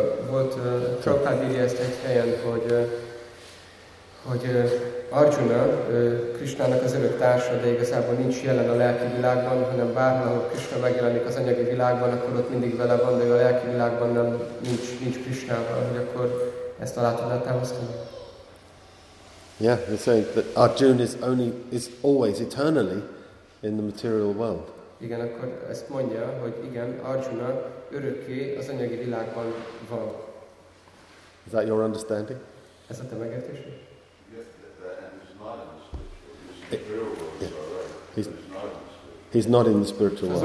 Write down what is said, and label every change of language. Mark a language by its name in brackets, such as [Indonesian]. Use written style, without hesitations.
[Hungarian] Volt Prabhupada írja ezt egy helyen, hogy Arjuna Krishnának az örök társa, de igazából nincs jelen a lelki világban, hanem bárhol Krishna megjelenik az anyagi világban, akkor ott mindig vele van, de a lelki világban nem nincs Krishnával, hogy akkor ezt a látodát elhoztani. [English] Yeah, they're saying that Arjuna is always eternally in the material world. [Hungarian] Igen, akkor ezt mondja, hogy igen, Arjuna örökké az anyagi világban van. [English] Is that your understanding? [Hungarian] Ez a te megértésed? [English] Yes, that and it's not in the spiritual. It's in the real world, yeah. Right? He's not in the spiritual world.